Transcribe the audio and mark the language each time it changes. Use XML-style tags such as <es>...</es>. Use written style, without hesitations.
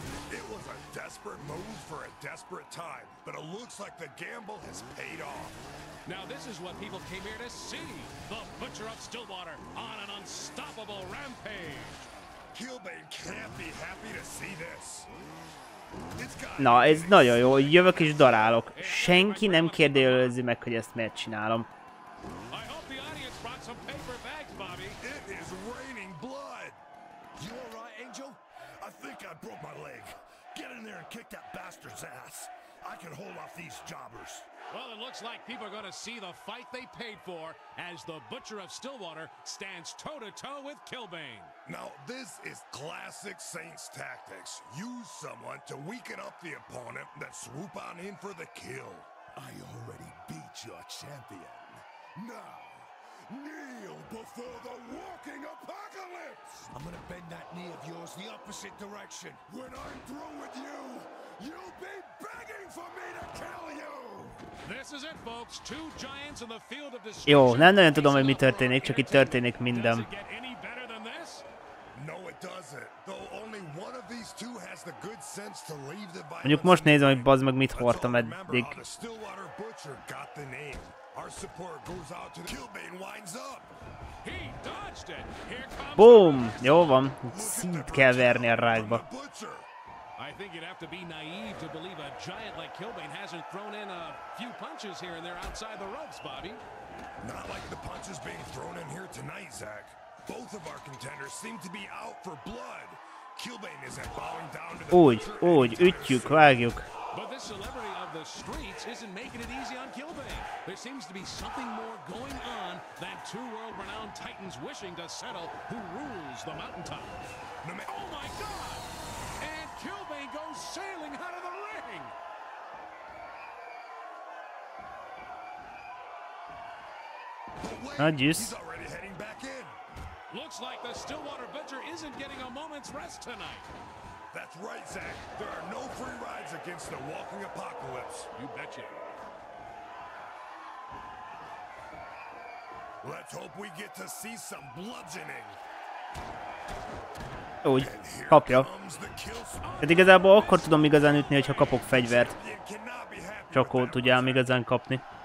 <en>It was a desperate move for a desperate time, but it looks like the gamble has paid off. Now this is what people came here to see. The Butcher of Stillwater on an unstoppable rampage. Kilbane can't be happy to see this.</en> <hu>Na, ez nagyon jó. Jövök és darálok. Senki nem kérdőjelezi meg, hogy ezt miért csinálom.</hu> <en>I hope the audience brought some paper bags, Bobby. It is raining blood. You all right, Angel? I think I broke my leg. Get in there and kick that bastard's ass. I can hold off these jobbers. Well, it looks like people are going to see the fight they paid for as the Butcher of Stillwater stands toe-to-toe with Kilbane. Now, this is classic Saints tactics. Use someone to weaken up the opponent, then swoop on in for the kill. I already beat your champion. Now, kneel before the walking apocalypse! I'm going to bend that knee of yours the opposite direction. When I'm through with you, you'll be begging for me to kill you! This is it, folks. Two giants in the field of destruction.</en> <hu>Jó, nem nagyon tudom, hogy mi történik, csak itt történik minden.</hu> <en>Does it get any better than this? No, it doesn't. Though only one of these two has the good sense to leave the violence.</en> <hu>Mondjuk most nézem, hogy bazd meg mit hordtam eddig.</hu> <en>The Stillwater Butcher got the name. Our support goes out to the Kilbane winds up. He dodged it.</en> <hu>Boom! Jó van. Szint kell verni a rákba.</hu> <en>I think you'd have to be naive to believe a giant like Kilbane hasn't thrown in a few punches here and there outside the ropes, Bobby. Not like the punches being thrown in here tonight, Zach. Both of our contenders seem to be out for blood. Kilbane isn't bowing down to the...</en> <hu>Úgy, ütjük, vágjuk.</hu> <en>But this celebrity of the streets isn't making it easy on Kilbane. There seems to be something more going on than two world-renowned titans wishing to settle who rules the mountaintop. Oh my God! Kilbane goes sailing out of the ring! Ah, jeez. He's already heading back in. Looks like the Stillwater Butcher isn't getting a moment's rest tonight. That's right, Zach. There are no free rides against the walking apocalypse. You betcha. Let's hope we get to see some bludgeoning.</en> <hu>Úgy, kapja. Tehát igazából akkor tudom igazán ütni, hogyha kapok fegyvert. Csak ott tudjam igazán kapni.</hu>